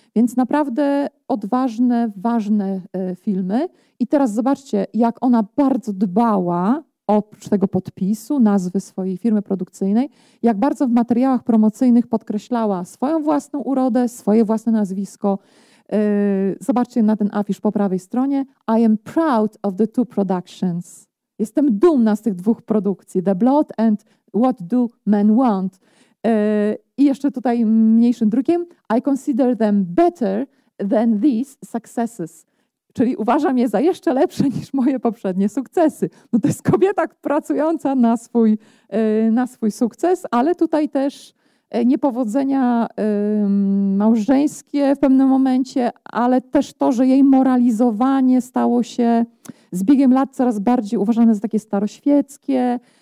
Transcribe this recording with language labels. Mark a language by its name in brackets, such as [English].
[Polish] Więc naprawdę odważne, ważne filmy. I teraz zobaczcie, jak ona bardzo dbała, oprócz tego podpisu, nazwy swojej firmy produkcyjnej, jak bardzo w materiałach promocyjnych podkreślała swoją własną urodę, swoje własne nazwisko. Zobaczcie na ten afisz po prawej stronie. [English] I am proud of the two productions. [Polish] Jestem dumna z tych dwóch produkcji. The Blood and What Do Men Want. I jeszcze tutaj mniejszym drukiem, [English] I consider them better than these successes, [Polish] czyli uważam je za jeszcze lepsze niż moje poprzednie sukcesy. No to jest kobieta pracująca na swój sukces, ale tutaj też niepowodzenia małżeńskie w pewnym momencie, ale też to, że jej moralizowanie stało się z biegiem lat coraz bardziej uważane za takie staroświeckie,